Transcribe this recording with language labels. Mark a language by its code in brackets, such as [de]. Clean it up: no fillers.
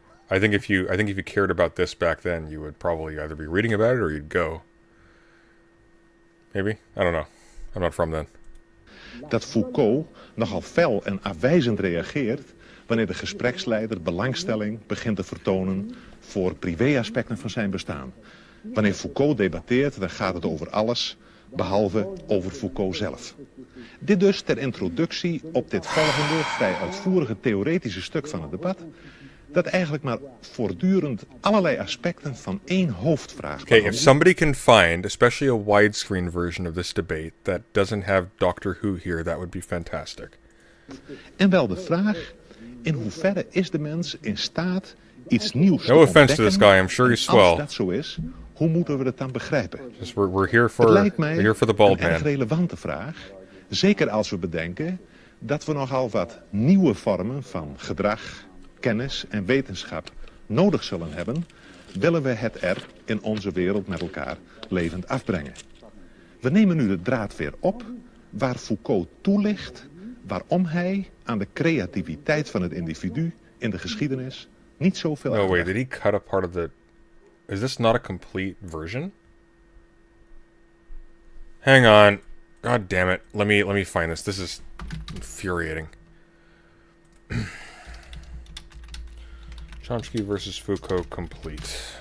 [en] I think if you cared about this back then, you would probably either be reading about it or you'd go. Maybe? I don't know. I'm not from then. [nl] Dat Foucault nogal fel en afwijzend reageert wanneer de gespreksleider belangstelling begint te vertonen voor privéaspecten van zijn bestaan. Wanneer Foucault debatteert, dan gaat het over alles, behalve over Foucault zelf. Dit dus ter introductie op dit volgende vrij uitvoerige theoretische stuk van het debat, dat eigenlijk maar voortdurend allerlei aspecten van één hoofdvraag. [en] Okay, if somebody can find, especially a widescreen version of this debate, that doesn't have Doctor Who here, that would be fantastic. [nl] En wel de vraag, in hoeverre is de mens in staat iets nieuws te [en] offense [nl] ontdekken, [en] to this guy, I'm sure he's swell. [nl] Als dat zo is, hoe moeten we dat dan begrijpen? [en] We're here for the bald man. [nl] Het lijkt mij een erg relevante vraag, zeker als we bedenken dat we nogal wat nieuwe vormen van gedrag, kennis en wetenschap nodig zullen hebben, willen we het er in onze wereld met elkaar levend afbrengen. We nemen nu de draad weer op waar Foucault toelicht waarom hij aan de creativiteit van het individu in de geschiedenis niet zoveel... [en] No, wait, did he cut a part of the... Is this not a complete version? Hang on. God damn it. Let me find this. This is infuriating. Chomsky versus Foucault complete.